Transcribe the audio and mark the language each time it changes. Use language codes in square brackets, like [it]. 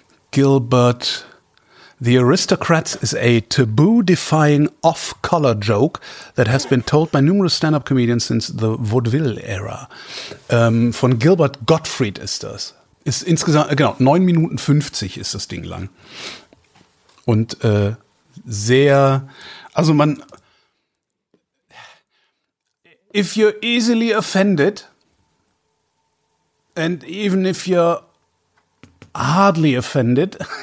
[en] Gilbert, The Aristocrats is a taboo-defying off-color joke that has been told by numerous stand-up comedians since the vaudeville era. [de] Von Gilbert Gottfried ist das. Ist insgesamt, genau, 9 Minuten 50 ist das Ding lang. Und sehr. Also man, [en] if you're easily offended and even if you're hardly offended,